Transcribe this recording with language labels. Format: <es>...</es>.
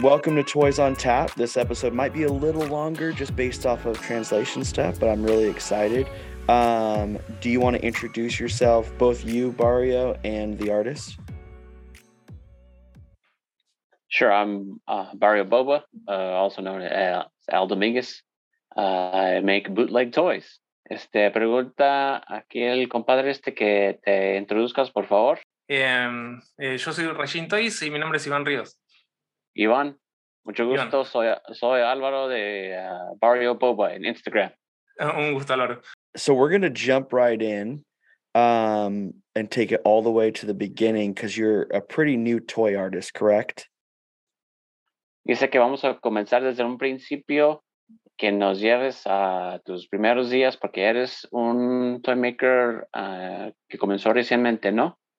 <en>Welcome to Toys on Tap. This episode might be a little longer just based off of translation stuff, but I'm really excited. Do you want to introduce yourself, both you, Barrio, and the artist? Sure, I'm Barrio Boba, also known as Al Dominguez. I make bootleg toys.</en> <es>Pregunta aquí el compadre que te introduzcas, por favor. Yo soy RAIJIN Toys y mi nombre es Iván Ríos. Iván, mucho gusto. Iván. Soy Álvaro de Barrio Boba en Instagram. Un gusto, Álvaro.</es> <en>So we're going to jump right in and take it all the way to the beginning because you're a pretty new toy artist, correct?</en> <es>Dice que vamos a comenzar desde un principio que nos lleves a tus primeros días porque eres un toy maker que comenzó recientemente, ¿no?</es>